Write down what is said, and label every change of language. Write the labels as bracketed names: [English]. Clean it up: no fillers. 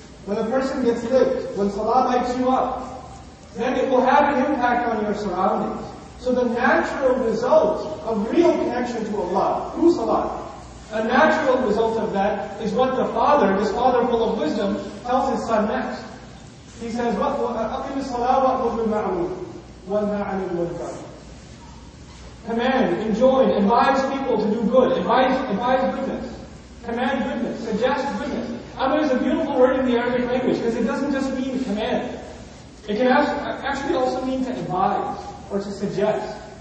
[English] When a person gets lit, when Salah lights you up, then it will have an impact on your surroundings. So the natural result of real connection to Allah, through Salah, a natural result of that is what the father, this father full of wisdom, tells his son next. He says, [Arabic] أَقِمِ الصَّلَاةَ وَأْمُرْ بِالْمَعْرُوفِ وَنْهَا عَنِ الْمُنْكَرِ. [English] Command, enjoin, advise people to do good, advise goodness. Command goodness, suggest goodness. Amr is a beautiful word in the Arabic language because it doesn't just mean command. It can actually also mean to advise or to suggest.